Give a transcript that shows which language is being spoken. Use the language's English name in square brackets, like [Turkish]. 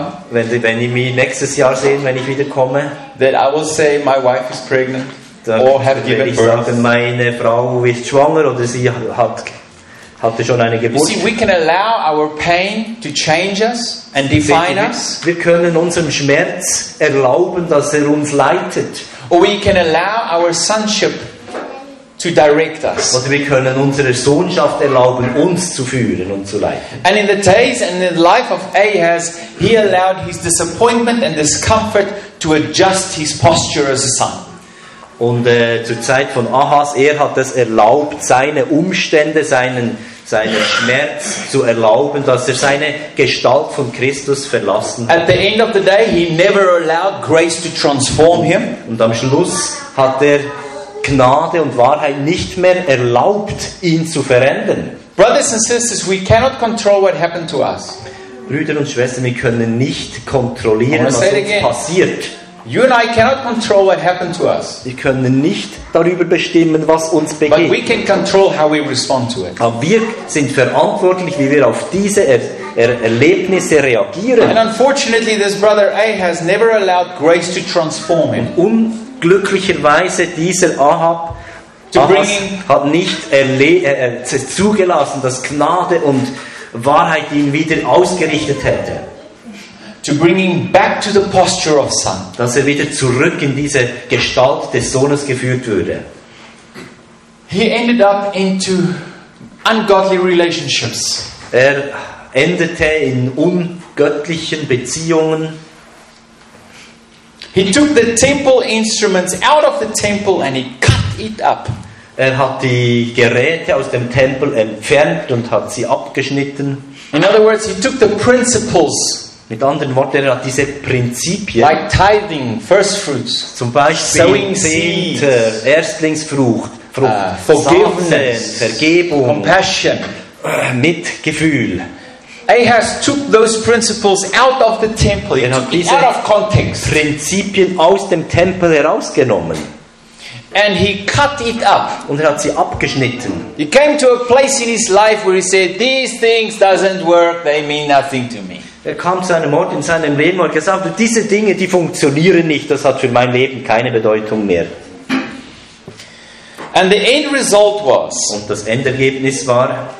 [German] wenn ihr mich nächstes Jahr sehen, wenn ich wiederkomme, [English] that I will say my wife is pregnant or have given birth. [German] Ich sage, meine Frau ist schwanger oder sie hatte schon eine Geburt. [English] You see, we can allow our pain to change us and define us. [German] Wir können unserem Schmerz erlauben, dass er uns leitet. [English] Or we can allow our sonship to direct us. [German] Oder wir können unsere Sohnschaft erlauben, uns zu führen und zu leiten. [English] And in the days and in the life of Ahaz, he allowed his disappointment and discomfort to adjust his posture as a son. [German] Und zur Zeit von Ahaz, er hat es erlaubt, seine Umstände, seinen Schmerz zu erlauben, dass er seine Gestalt von Christus verlassen hat. [English] At the end of the day, he never allowed grace to transform him. [German] Und am Schluss hat er Gnade und Wahrheit nicht mehr erlaubt, ihn zu verändern. [English] Brothers and sisters, we cannot control what happened to us. [German] Brüder und Schwestern, wir können nicht kontrollieren, was uns passiert. [English] You and I cannot control what happened to us. [German] Wir können nicht darüber bestimmen, was uns begeht. [English] But we can control how we respond to it. [German] Aber wir sind verantwortlich, wie wir auf diese Erlebnisse reagieren. [English] And unfortunately, this brother A has never allowed grace to transform him. [German] Glücklicherweise dieser Ahab hat nicht zugelassen, dass Gnade und Wahrheit ihn wieder ausgerichtet hätte. [English] To bring him back to the posture of son. [German] Dass er wieder zurück in diese Gestalt des Sohnes geführt würde. [English] He ended up into ungodly relationships. [German] Er endete in ungöttlichen Beziehungen. [English] He took the temple instruments out of the temple and he cut it up. [German] Er hat die Geräte aus dem Tempel entfernt und hat sie abgeschnitten. [English] In other words, he took the principles. [German] Mit anderen Worten, er hat diese Prinzipien, [English] like tithing, first fruits, [German] zum Beispiel Zehnte, Erstlingsfrucht, [English] Forgiveness, [German] Vergebung, [English] compassion, [German] Mitgefühl. [English] Ahaz took those principles out of the temple. [German] Er hat diese Prinzipien aus dem Tempel herausgenommen. [English] And he cut it up. [German] Und er hat sie abgeschnitten. [English] He came to a place in his life where he said, "These things doesn't work. They mean nothing to me." [German] Er kam zu einem Ort in seinem Leben und gesagt: "Diese Dinge, die funktionieren nicht. Das hat für mein Leben keine Bedeutung mehr." [English] And the end result was. [German] Und das Endergebnis war,